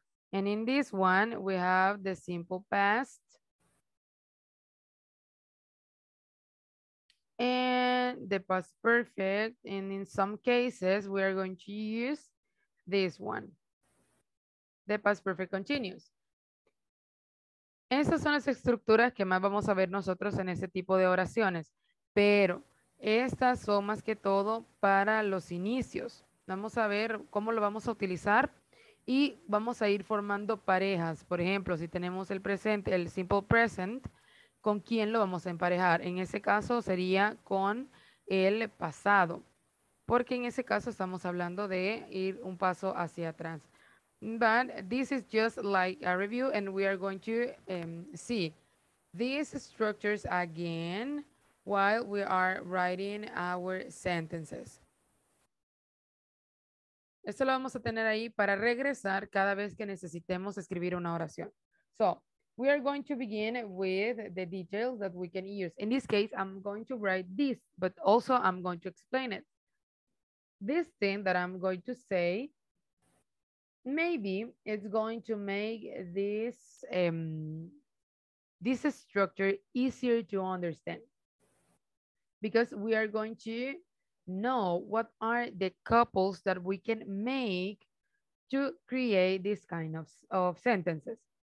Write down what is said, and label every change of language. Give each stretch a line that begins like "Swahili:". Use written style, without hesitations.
English: And in this one, we have the simple past and the past perfect. And in some cases, we are going to use this one, the past perfect continuous.
Spanish: Esas son las estructuras que más vamos a ver nosotros en ese tipo de oraciones. Pero estas son más que todo para los inicios. Vamos a ver cómo lo vamos a utilizar. Y vamos a ir formando parejas. Por ejemplo, si tenemos el presente, el simple present, ¿con quién lo vamos a emparejar? En ese caso sería con el pasado. Porque en ese caso estamos hablando de ir un paso hacia atrás.
English: But this is just like a review and we are going to see these structures again while we are writing our sentences.
Spanish: Esto lo vamos a tener ahí para regresar cada vez que necesitemos escribir una oración. So,
English: we are going to begin with the details that we can use. In this case, I'm going to write this, but also I'm going to explain it. This thing that I'm going to say, maybe it's going to make this this structure easier to understand, because we are going to know what are the couples that we can make to create this kind of sentences.